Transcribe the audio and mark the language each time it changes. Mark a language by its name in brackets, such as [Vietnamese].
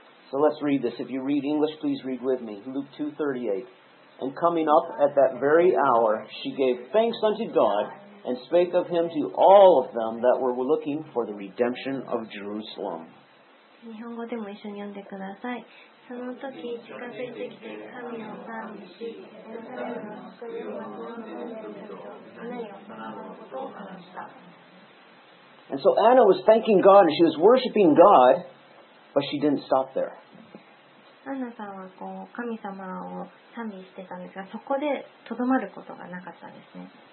[English] So let's read this. If you read English, please read with me. Luke 2:38. And coming up at that very hour, she gave thanks unto God and spake of him to all of them that were looking for the redemption of Jerusalem. [Japanese] 日本語でも一緒に読んでください。その時近づいてきて神を賛美し、エルサレムの福音を求めると、胸を捧げることを話した。 [English] And so Anna was thanking God and she was worshiping God, but she didn't stop there. [Japanese] アンナさんはこう神様を賛美してたんですが、そこでとどまることがなかったんですね。